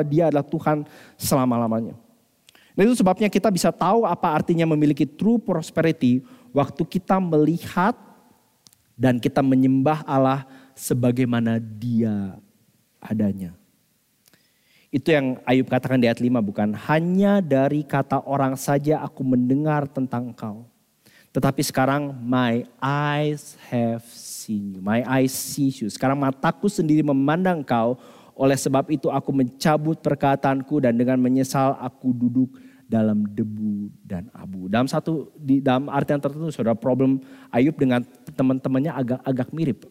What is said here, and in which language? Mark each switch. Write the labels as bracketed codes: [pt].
[id] Dia adalah Tuhan selama-lamanya. Nah, itu sebabnya kita bisa tahu apa artinya memiliki [en] true prosperity [id] waktu kita melihat dan kita menyembah Allah sebagaimana Dia adanya. Itu yang Ayub katakan di ayat 5, bukan? Hanya dari kata orang saja aku mendengar tentang engkau. Tetapi sekarang [en] my eyes have seen you. My eyes see you. [id] Sekarang mataku sendiri memandang engkau. Oleh sebab itu aku mencabut perkataanku dan dengan menyesal aku duduk dalam debu dan abu. Dalam arti yang tertentu, saudara, problem Ayub dengan teman-temannya agak mirip.